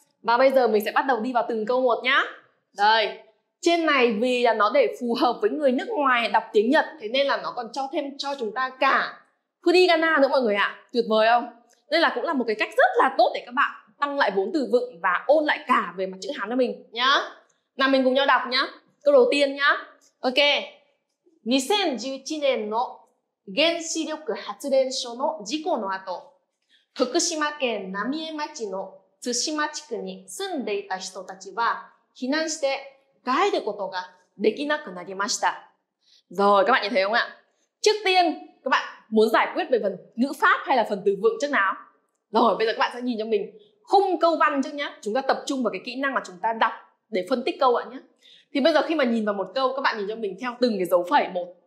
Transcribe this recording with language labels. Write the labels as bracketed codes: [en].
[vi] Và bây giờ mình sẽ bắt đầu đi vào từng câu một nhá. Đây, trên này vì là nó để phù hợp với người nước ngoài đọc tiếng Nhật, thế nên là nó còn cho thêm cho chúng ta cả furigana nữa mọi người ạ. Tuyệt vời không? Đây là cũng là một cái cách rất là tốt để các bạn tăng lại vốn từ vựng và ôn lại cả về mặt chữ Hán cho mình nhá. Nào mình cùng nhau đọc nhá. Câu đầu tiên nhá. OK. [ja] 2011年の原子力発電所の事故の後、福島県浪江町の津島地区に住んでいた人たちは避難して帰ることができなくなりました。 [vi] Rồi, các bạn nhìn thấy không ạ? Trước tiên, các bạn muốn giải quyết về phần ngữ pháp hay là phần từ vựng trước nào? Rồi, bây giờ các bạn sẽ nhìn cho mình khung câu văn trước nhé. Chúng ta tập trung vào cái kỹ năng mà chúng ta đọc để phân tích câu ạ nhé. Thì bây giờ khi mà nhìn vào một câu, các bạn nhìn cho mình theo từng cái dấu phẩy một.